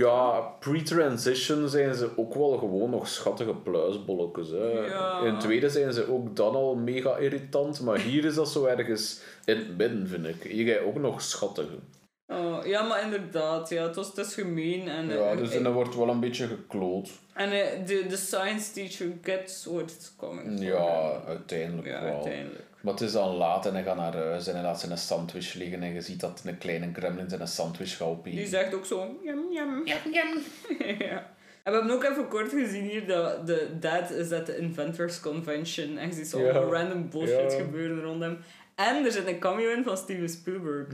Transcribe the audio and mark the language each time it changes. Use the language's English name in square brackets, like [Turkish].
[Dutch] Ja, pre-transition zijn ze ook wel gewoon nog schattige pluisbolletjes. Hè. Yeah. In tweede zijn ze ook dan al mega irritant. Maar hier is dat zo ergens in het midden, vind ik. Hier ga je ook nog schattiger. Oh, ja, maar inderdaad, ja, het is gemeen. En, ja, dus en er wordt wel een beetje gekloot. En de [English] science teacher gets what it's coming [Dutch] for. Ja, uiteindelijk ja, wel. Uiteindelijk. Maar het is dan laat en hij gaat naar huis en hij laat zijn sandwich liggen. En je ziet dat een kleine gremlin zijn sandwich gaat opeten. Die zegt ook zo, yum, yum, yum, yum. Ja. En we hebben ook even kort gezien hier dat de dad [English] is at the Inventors Convention. [Dutch] En je ziet zo allemaal random bullshit gebeuren rond hem. En er zit een cameo in van Steven Spielberg.